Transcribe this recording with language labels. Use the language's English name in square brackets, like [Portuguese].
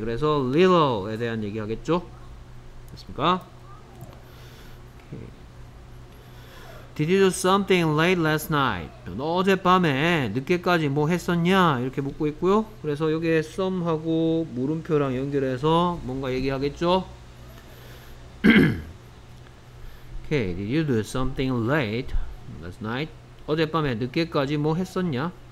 [Korean] 그래서 little에 대한 얘기 하겠죠? 맞습니까? [English] Did you do something late last night? [Korean] 너 어젯밤에 늦게까지 뭐 했었냐? 이렇게 묻고 있고요. 그래서 여기에 some하고 물음표랑 연결해서 뭔가 얘기하겠죠? [English] Okay, did you do something late last night? [Korean] 어젯밤에 늦게까지 뭐 했었냐?